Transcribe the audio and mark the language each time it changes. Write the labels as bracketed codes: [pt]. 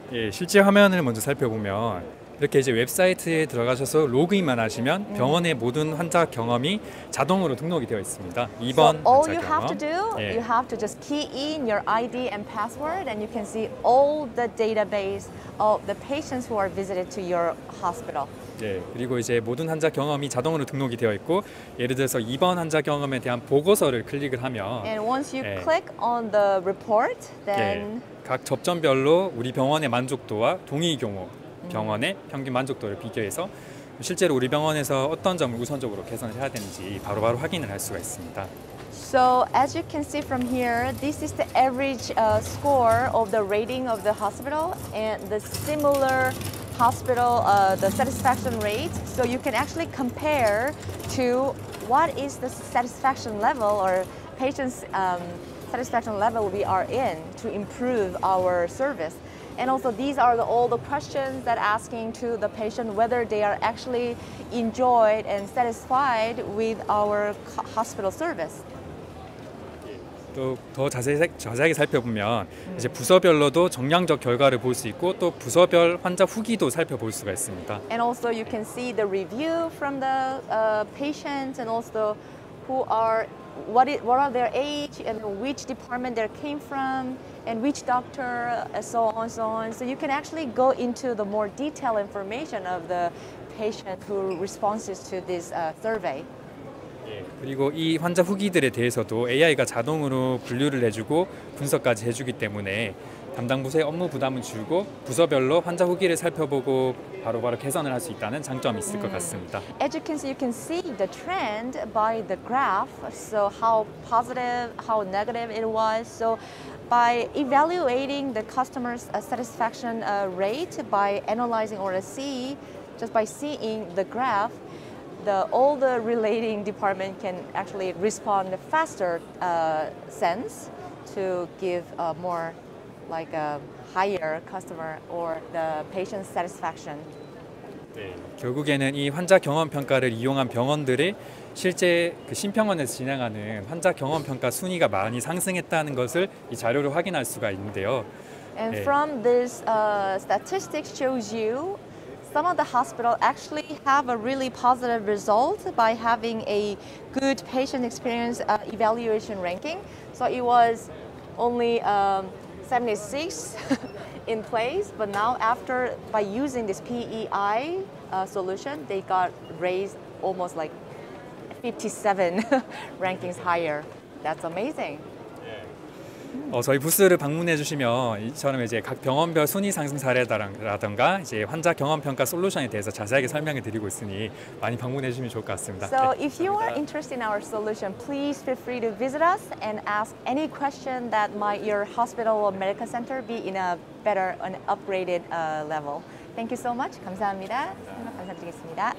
[ko] 예, 실제 화면을 먼저 살펴보면 이렇게 이제 웹사이트에 들어가셔서 로그인만 하시면 병원의 모든 환자 경험이 자동으로 등록이 되어 있습니다. 이번 [en] so all you have to do, 예. you have to just key in your ID and password and you can see all the database of the patients who are visited to your hospital. [ko] 예, 그리고 이제 모든 환자 경험이 자동으로 등록이 되어 있고 예를 들어서 이번 환자 경험에 대한 보고서를 클릭을 하면 [en] And once you 예. click on the report, then 예. [ko] 각 접점별로 우리 병원의 만족도와 동의 경우 병원의 평균 만족도를 비교해서 실제로 우리 병원에서 어떤 점을 우선적으로 개선을 해야 되는지 바로 확인을 할 수가 있습니다. [en] So as you can see from here, this is the average score of the rating of the hospital and the similar hospital the satisfaction rate. So you can actually compare to what is the satisfaction level or patients satisfaction level we are in to improve our service. And also these are all the questions that asking to the patient whether they are actually enjoyed and satisfied with our hospital service. [ko] 또 더 자세하게 살펴보면 이제 부서별로도 정량적 결과를 볼 수 있고 또 부서별 환자 후기도 살펴볼 수가 있습니다. [en] And also you can see the review from the patients and also who are what are their age and which department they came from and which doctor so on. So you can actually go into the more detailed information of the patient who responds to this survey. [ko] 그리고 이 환자 후기들에 대해서도 AI가 자동으로 분류를 해주고 분석까지 해주기 때문에 담당 부서의 업무 부담은 줄고 부서별로 환자 후기를 살펴보고 바로 개선을 할 수 있다는 장점이 있을 것 같습니다. [en] As you can see, you can see the trend by the graph. So how positive, how negative it was. So by evaluating the customer's satisfaction rate by analyzing or see just by seeing the graph. All the relating department can actually respond faster sense to give a more like a higher customer or the patient satisfaction. [ko] 네, 결국에는 이 환자 경험 평가를 이용한 병원들이 실제 그 신병원에서 진행하는 환자 경험 평가 순위가 많이 상승했다는 것을 이 자료로 확인할 수가 있는데요. And 네. [en] from this statistics shows you Some of the hospitals actually have a really positive result by having a good patient experience evaluation ranking. So it was only 76 in place, but now after by using this PEI solution, they got raised almost like 57 rankings higher. That's amazing. [ko] 저희 부스를 방문해 주시면 이처럼 이제 각 병원별 순위 상승 사례라든가 이제 환자 경험 평가 솔루션에 대해서 자세하게 설명해 드리고 있으니 많이 방문해 주시면 좋을 것 같습니다. [en] So if you are interested in our solution, please feel free to visit us and ask any question that might your hospital or medical center be in a better and upgraded level. Thank you so much. [ko] 감사합니다. 감사드리겠습니다.